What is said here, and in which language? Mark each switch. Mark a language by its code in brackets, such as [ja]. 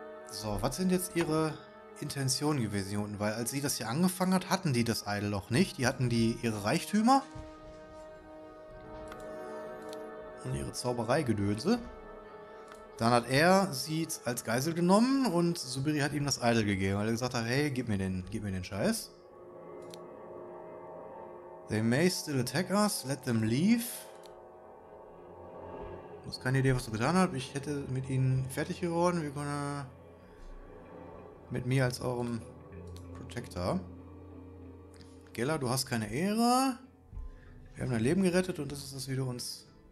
[de] So, was sind jetzt ihre Intentionen gewesen hier unten? Weil als sie das hier angefangen hat, hatten die das Idol noch nicht. Die hatten die ihre Reichtümer und ihre Zaubereigedönse. Dann hat er sie als Geisel genommen und Subiri hat ihm das Idol gegeben, weil er gesagt hat, hey, gib mir den Scheiß. [en] They may still attack us, let them leave. [de] Du hast keine Idee, was du getan hast. Ich hätte mit ihnen fertig geworden. Wir können mit mir als eurem Protector. Gella, du hast keine Ehre. Wir haben dein Leben gerettet und das ist das, wie du uns...